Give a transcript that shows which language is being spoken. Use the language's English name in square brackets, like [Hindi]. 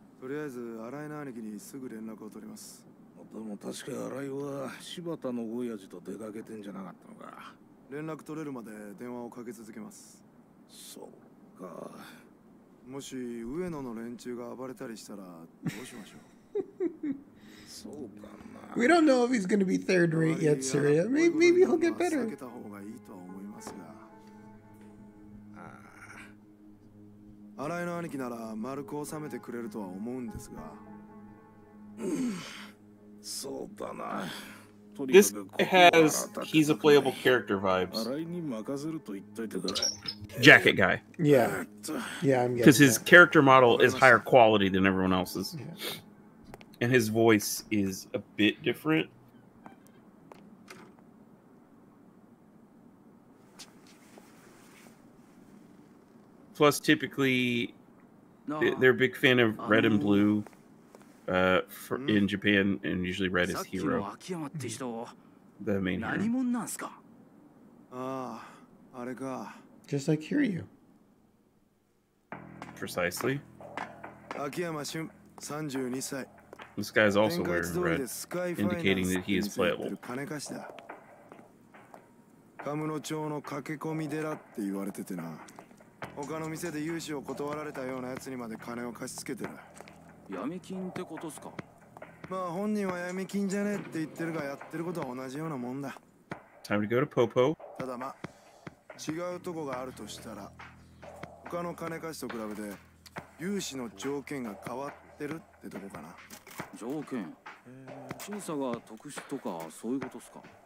[Japanese] とりあえず、新井の兄貴にすぐ連絡を取ります。でも確か新井は柴田の親父と出かけてんじゃなかったのか。連絡取れるまで電話をかけ続けます。そうか。もし上野の連中が暴れたりしたらどうしましょう。そうかな。 [English] We don't know if he's going to be third rate yet, Syria. Maybe he'll get better. [Japanese] 避けた方がいいとは思いますが。新井の兄貴なら丸く収めてくれるとは思うんですが、そうだな。 [English] This has he's a playable character vibes. [Japanese] 新井に任せると言っといてくれ。 [English] Jacket guy. Yeah. Yeah, I'm because his character model is higher quality than everyone else's, and his voice is a bit different. Plus, typically, they're a big fan of red and blue for, in Japan, and usually red is hero. The main hero. Just like Kiryu. Precisely. Akiyama Shun, 32. This guy's also wearing red, indicating that he is playable. [Japanese] カムの町の駆け込みでらって言われててな。他の店で融資を断られたような奴にまで金を貸し付けてる。闇金ってことっすか?まあ本人は闇金じゃねえって言ってるがやってることは同じようなもんだ。 [English] Time to go to Popo。 [Japanese] ただまあ違うとこがあるとしたら他の金貸しと比べて融資の条件が変わってるってとこかな。条件?審査が特殊とかそういうことっすか?